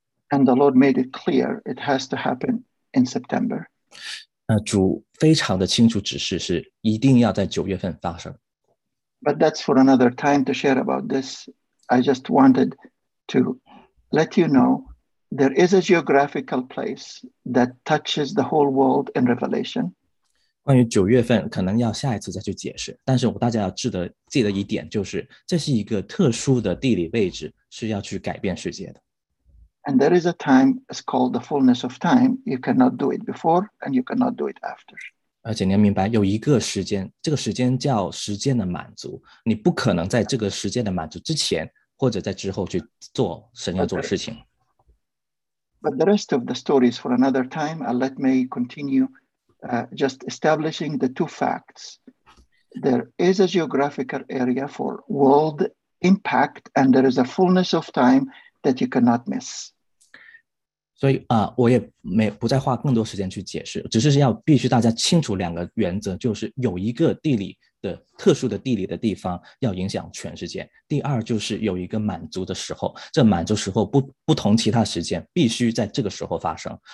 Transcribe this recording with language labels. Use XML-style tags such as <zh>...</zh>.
<en>And the Lord made it clear it has to happen in September.</en> <zh>主非常的清楚指示是一定要在九月份发生。</zh> <en>But that's for another time to share about this. I just wanted to let you know there is a geographical place that touches the whole world in Revelation.</en> <zh>关于九月份可能要下一次再去解释，但是我大家要记得一点，就是这是一个特殊的地理位置，是要去改变世界的。</zh> <en>And there is a time, it's called the fullness of time. You cannot do it before, and you cannot do it after.</en> <zh>而且你要明白，有一个时间，这个时间叫时间的满足。你不可能在这个时间的满足之前，或者在之后去做神要做的事情。</zh> <en>But the rest of the story is for another time. And let me continue just establishing the two facts. There is a geographical area for world impact, and there is a fullness of time. That you cannot miss.</en> <zh>所以我也没不再花更多时间去解释，只是要必须大家清楚两个原则，就是有一个地理的特殊的地理的地方要影响全世界。第二就是有一个满足的时候，这满足时候不同其他时间，必须在这个时候发生。</zh>